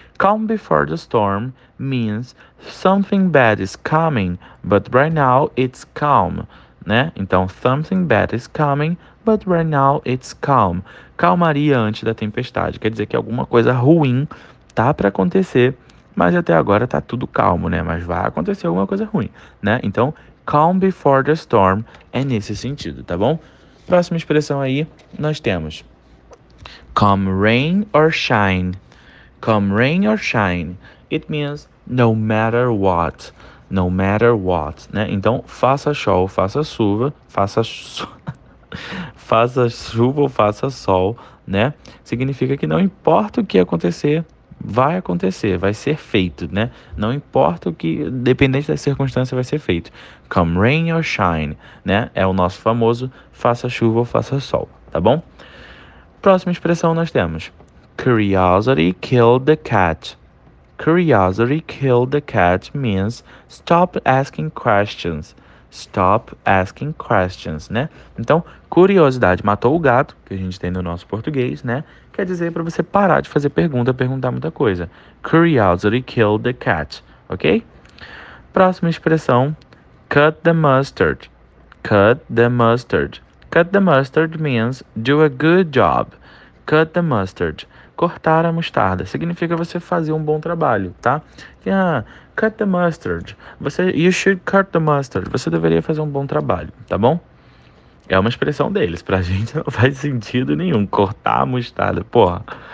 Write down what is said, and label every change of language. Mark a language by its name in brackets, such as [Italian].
[English] Calm before the storm means something bad is coming, but right now it's calm, né? Então, something bad is coming, but right now it's calm. [Portuguese] Calmaria antes da tempestade. Quer dizer que alguma coisa ruim tá para acontecer, mas até agora tá tudo calmo, né? Mas vai acontecer alguma coisa ruim, né? Então, [English] calm before the storm [Portuguese] é nesse sentido, tá bom? Próxima expressão aí, nós temos [English] come rain or shine. Come rain or shine. It means no matter what. No matter what, [Portuguese] né? Então, faça sol, faça chuva, faça su... Faça chuva ou faça sol, né? Significa que não importa o que acontecer, vai ser feito, né? Não importa o que, dependente da circunstância, vai ser feito. [English] Come rain or shine, [Portuguese] né? É o nosso famoso faça chuva ou faça sol, tá bom? Próxima expressão nós temos: [English] curiosity killed the cat. Curiosity killed the cat means stop asking questions. Stop asking questions, né? [Portuguese] Então, curiosidade matou o gato, que a gente tem no nosso português, né? Quer dizer para você parar de fazer perguntar muita coisa. [English] Curiosity killed the cat, ok? [Portuguese] Próxima expressão, [English] cut the mustard. Cut the mustard. Cut the mustard means do a good job. Cut the mustard. [Portuguese] Cortar a mostarda significa você fazer um bom trabalho, tá? [English] Yeah, cut the mustard. You should cut the mustard. [Portuguese] Você deveria fazer um bom trabalho, tá bom? É uma expressão deles. Pra gente não faz sentido nenhum cortar a mostarda, porra.